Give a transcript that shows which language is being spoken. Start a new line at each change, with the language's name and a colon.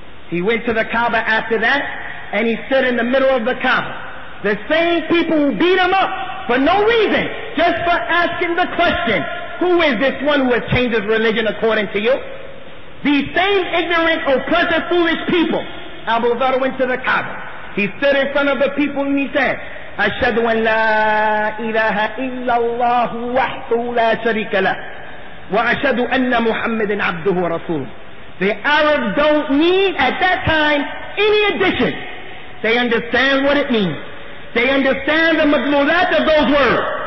English: He went to the Kaaba after that and he stood in the middle of the Kaaba. The same people who beat him up for no reason, just for asking the question, who is this one who has changed his religion according to you? These same ignorant, oppressive, foolish people. Abu Dharr went to the Kaaba. He stood in front of the people and he said,
Arabic: أشهد أن لا إله إلا الله وحده لا شريك له وأشهد أن محمد عبده ورسوله.
English: The Arabs don't need at that time any addition. They understand what it means. They understand the maglulat of those words.